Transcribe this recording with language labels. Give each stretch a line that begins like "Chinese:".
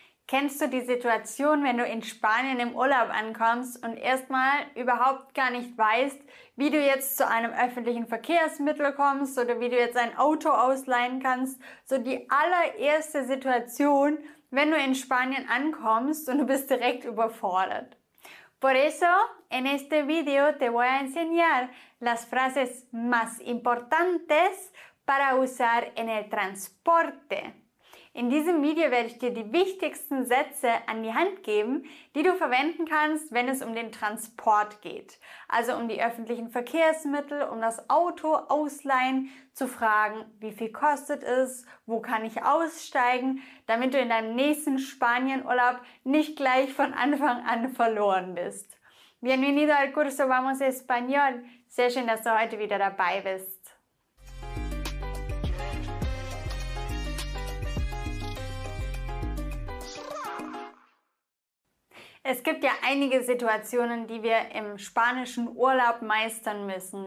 German: Kennst du die Situation, wenn du in Spanien im Urlaub ankommst und erstmal überhaupt gar nicht weißt, wie du jetzt zu einem öffentlichen Verkehrsmittel kommst oder wie du jetzt ein Auto ausleihen kannst? So die allererste Situation, wenn du in Spanien ankommst und du bist direkt überfordert.
Spanish: Por eso, en este video te voy a enseñar las frases más importantes para usar en el transporte.
German: In diesem Video werde ich dir die wichtigsten Sätze an die Hand geben, die du verwenden kannst, wenn es um den Transport geht. Also um die öffentlichen Verkehrsmittel, um das Auto ausleihen, zu fragen, wie viel kostet es, wo kann ich aussteigen, damit du in deinem nächsten Spanienurlaub nicht gleich von Anfang an verloren bist.
Spanish: Bienvenido al curso Vamos Español.
German: Sehr schön, dass du heute wieder dabei bist. Es gibt ja einige Situationen, die wir im spanischen Urlaub meistern müssen.